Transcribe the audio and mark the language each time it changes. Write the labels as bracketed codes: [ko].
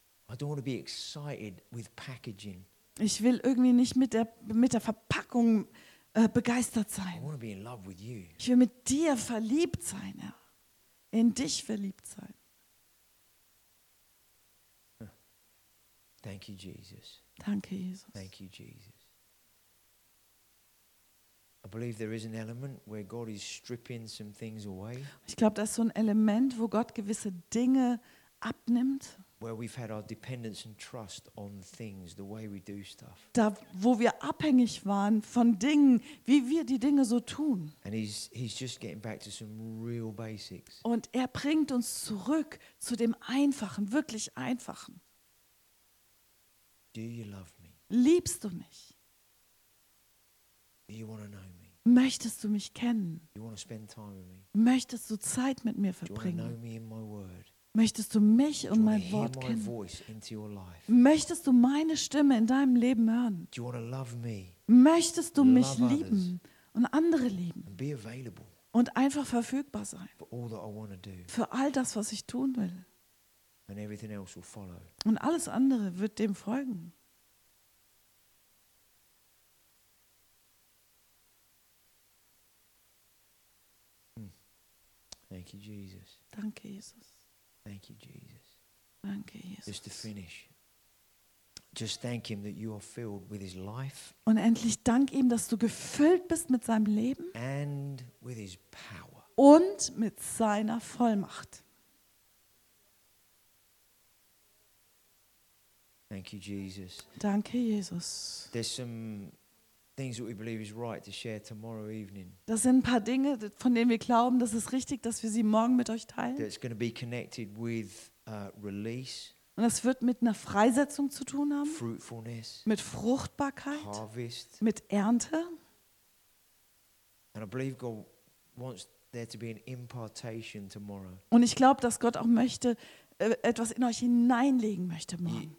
[en] I don't want to be excited with packaging. [de] Ich will irgendwie nicht mit der Verpackung begeistert sein. [en] I want to be in love with you. [de] Ich will mit dir verliebt sein, Herr. In dich verliebt sein. [en] Thank you, Jesus. [de] Danke, Jesus. [en] Thank you, Jesus. I believe there is an element where God is stripping some things away. [de] Ich glaube, das ist so ein Element, wo Gott gewisse Dinge abnimmt. [en] Where we've had our dependence and trust on things, the way we do stuff. [de] Da, wo wir abhängig waren von Dingen, wie wir die Dinge so tun. [en] And he's just getting back to some real basics. [de] Und er bringt uns zurück zu dem Einfachen, wirklich Einfachen. [en] Do you love me? [de] Liebst du mich? [en] Do you want to know me? [de] Möchtest du mich kennen? [en] Do you want to spend time with me? [de] Möchtest du Zeit mit mir verbringen? [en] Do you want to know me in my word? [de] Möchtest du mich und mein Wort kennen? Möchtest du meine Stimme in deinem Leben hören? [en] Do you want to love me? [de] Möchtest du mich lieben und andere lieben? [en] And be available. [de] Und einfach verfügbar sein [en] for all that I want to do. [de] Für all das, was ich tun will. [en] And everything else will follow. [de] Und alles andere wird dem folgen. [en] Thank you, Jesus. [de] Danke, Jesus. [en] Thank you, Jesus. [de] Danke, Jesus. [en] Just to finish. Just thank him that you are filled with his life. [de] Und endlich dank ihm, dass du gefüllt bist mit seinem Leben. [en] And with his power. [de] Und mit seiner Vollmacht. [en] Thank you, Jesus. [de] Danke, Jesus. [en] There's some things that we believe is right to share tomorrow evening. [de] Das sind ein paar Dinge, von denen wir glauben, dass es richtig, dass wir sie morgen mit euch teilen. [en] That's going to be connected with release. [de] Und das wird mit einer Freisetzung zu tun haben. [en] Fruitfulness. [de] Mit Fruchtbarkeit. [en] Harvest. [de] Mit Ernte. [en] And I believe God wants there to be an impartation tomorrow. [de] Und ich glaube, dass Gott auch möchte, etwas in euch hineinlegen möchte morgen.